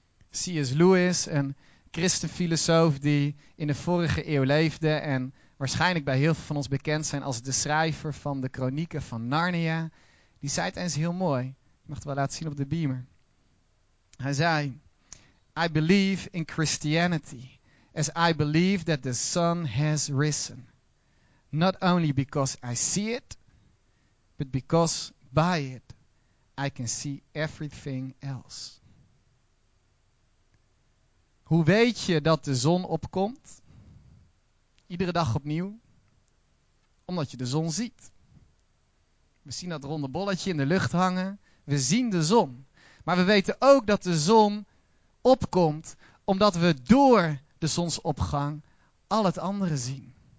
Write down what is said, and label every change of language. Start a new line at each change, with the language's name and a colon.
Dutch: C.S. Lewis, een christenfilosoof die in de vorige eeuw leefde. En waarschijnlijk bij heel veel van ons bekend zijn als de schrijver van de Kronieken van Narnia. Die zei het eens heel mooi. Ik mag het wel laten zien op de beamer. Hij zei:
English: I believe in Christianity as I believe that the sun has risen. Not only because I see it, but because by it I can see everything else.
Dutch: Hoe weet je dat de zon opkomt? Iedere dag opnieuw. Omdat je de zon ziet. We zien dat ronde bolletje in de lucht hangen. We zien de zon. Maar we weten ook dat de zon opkomt, omdat we door de zonsopgang al het andere zien.